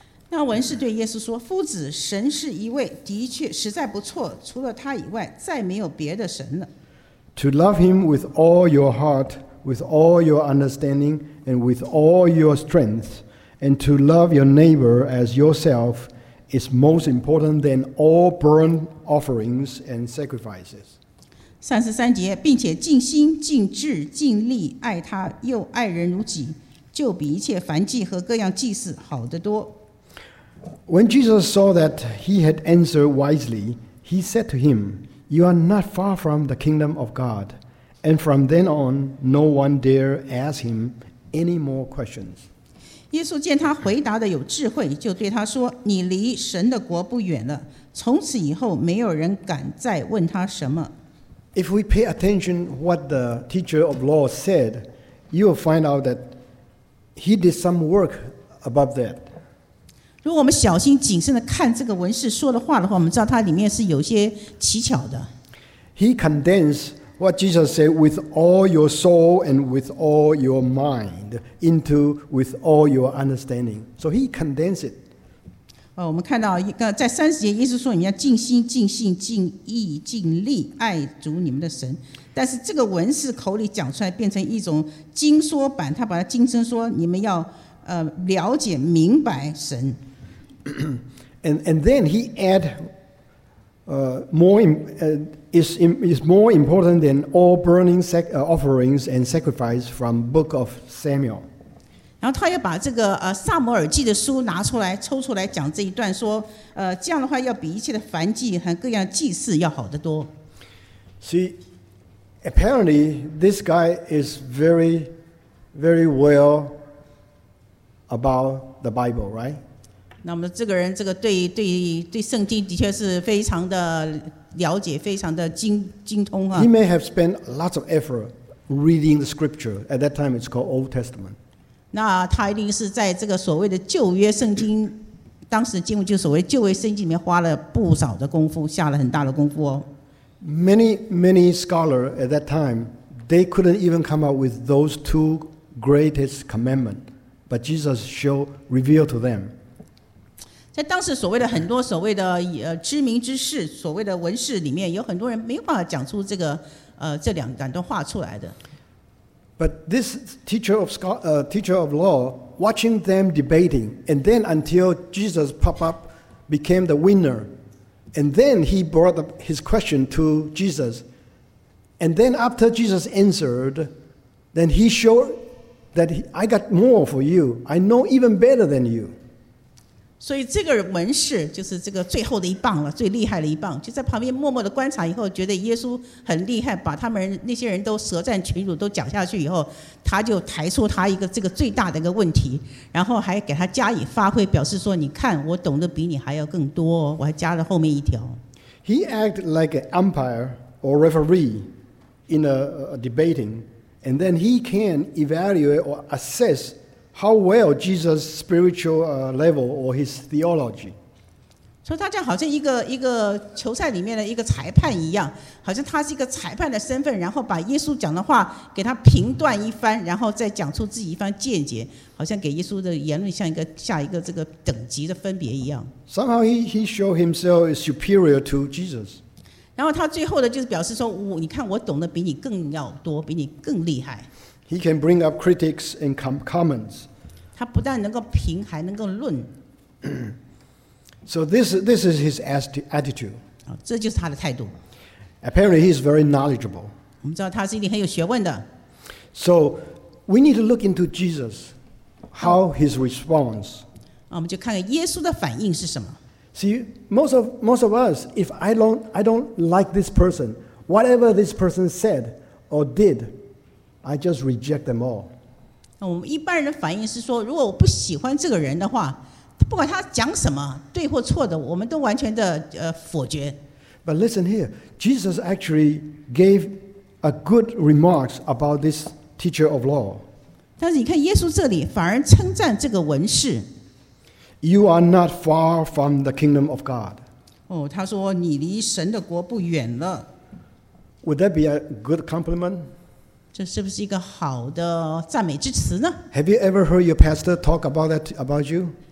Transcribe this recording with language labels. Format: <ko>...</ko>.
<zh>那文士对耶稣说，夫子，神是一位，的确实在不错，除了他以外，再没有别的神了。</zh> <en>To love him with all your heart, with all your understanding, and with all your strength, and to love your neighbor as yourself,is most important than all burnt offerings and sacrifices.</en> <zh>三十三节，并且尽心、尽智、尽力爱他，又爱人如己，就比一切燔祭和各样祭祀好得多。</zh> <en>When Jesus saw that he had answered wisely, he said to him, "You are not far from the kingdom of God." And from then on, no one dare ask him any more questions.</en> <zh>耶稣见他回答的有智慧，就对他说：“你离神的国不远了。” 从此以后，没有人敢再问他什么。</zh> <en>If we pay attention what the teacher of law said, you will find out that he did some work about that.</en> <zh>如果我们小心谨慎的看这个文士说的话的话，我们知道它里面是有些蹊跷的。</zh> <en>He condensed. What Jesus said, with all your soul and with all your mind, into with all your understanding. So he condensed it.</en> <zh>我们看到在三十节，耶稣说你要尽心、尽性、尽意、尽力爱主你们的神。但是这个文士口里讲出来，变成一种精缩版，他把它精深说，你们要了解明白神。</zh> <en>And then he add. Is more important than all burning offerings and sacrifice from Book of Samuel.</en> <zh>然后他又把这个撒母耳记的书拿出来抽出来讲这一段说，这样的话要比一切的燔祭和各样祭祀要好得多。</zh> <en>See, apparently this guy is very, very well about the Bible, right?</en> <zh>那么这个人，这个对圣经的确是非常的了解，非常的精通啊。</zh> <en>He may have spent lots of effort reading the scripture. At that time, it's called Old Testament.</en> <zh>那他一定是在这个所谓的旧约圣经，当时的经文就所谓旧约圣经里面花了不少的功夫，下了很大的功夫哦。</zh> <en>Many scholars at that time, they couldn't even come up with those two greatest commandments, but Jesus revealed to them.</en> <zh>在当时所谓的很多所谓的知名之士所谓的文士里面有很多人没有办法讲出这个这两段话出来的。</zh> <en>But this teacher of law watching them debating and then until Jesus pop up became the winner and then he brought up his question to Jesus and then after Jesus answered then he showed that I got more for you I know even better than you.</en> <zh>所以这个文士就是这个最后的一棒了，最厉害的一棒，就在旁边默默的观察以后，觉得耶稣很厉害，把他们那些人都舌战群儒都讲下去以后，他就抬出他一个这个最大的一个问题，然后还给他加以发挥，表示说：“你看，我懂得比你还要更多、哦。” 我还加了后面一条。</zh> <en>He acted like an umpire or referee in a debating, and then he can evaluate or assess. How well Jesus' spiritual level or his theology? So he's like a tournament in a judge, like he's a judge's position, and then by Jesus' words, he rated him a bit, and then he gave his own perspective, like giving Jesus' words like a grade of difference. Somehow he showed himself superior to Jesus. Then he finally showed himself superior to Jesus. He can bring up critics and comments.</en> <zh>他不但能够评，还能够论。</zh> <en>So this is his attitude.</en> <zh>这就是他的态度。</zh> <en>Apparently, he is very knowledgeable.</en> <zh>我们知道他是一定很有学问的。</zh> <en>So we need to look into Jesus, how his response.</en> <zh>我们就看看耶稣的反应是什么。</zh> <en>See, most of us, if I don't like this person, whatever this person said or did, I just reject them all.</en> <zh>我们一般人的反应是说, 如果我不喜欢这个人的话, 不管他讲什么, 对或错的, 我们都完全的, 否决。</zh> <en>But listen here, Jesus actually gave a good remarks about this teacher of law.</en> <zh>但是你看耶稣这里, 反而称赞这个文士。</zh> <en>You are not far from the kingdom of God.</en> <zh>哦,他说你离神的国不远了。</zh> <en>Would that be a good compliment?</en> <zh>这是不是一个好的赞美之词呢?</zh> <en>Have you ever heard your pastor talk about that about you?</en>